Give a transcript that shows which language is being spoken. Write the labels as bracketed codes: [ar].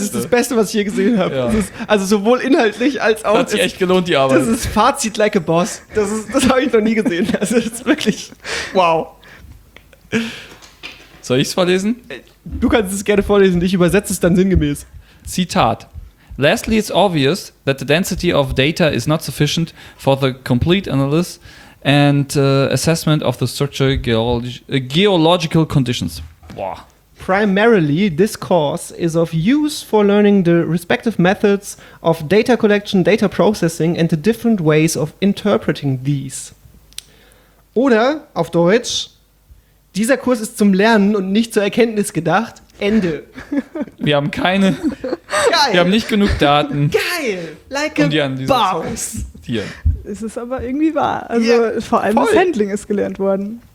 [de] Es ist das Beste, was ich je gesehen habe. Ja. Also sowohl inhaltlich als auch. Hat sich echt gelohnt, die Arbeit. Das ist Fazit [en] like a Boss. [de] Das habe ich noch nie gesehen. Also das ist wirklich. Wow. Soll ich es vorlesen? Du kannst es gerne vorlesen. Ich übersetze es dann sinngemäß. Zitat. [en] Lastly, it's obvious that the density of data is not sufficient for the complete analysis and assessment of the structural geological conditions. [de] Boah. [en] Primarily, this course is of use for learning the respective methods of data collection, data processing and the different ways of interpreting these. [de] Oder auf Deutsch, dieser Kurs ist zum Lernen und nicht zur Erkenntnis gedacht. Ende. Wir haben keine. Geil. Wir haben nicht genug Daten. Geil. [en] Like a boss. [de] Es ist aber irgendwie wahr. Also yeah, vor allem voll. Das Handling ist gelernt worden.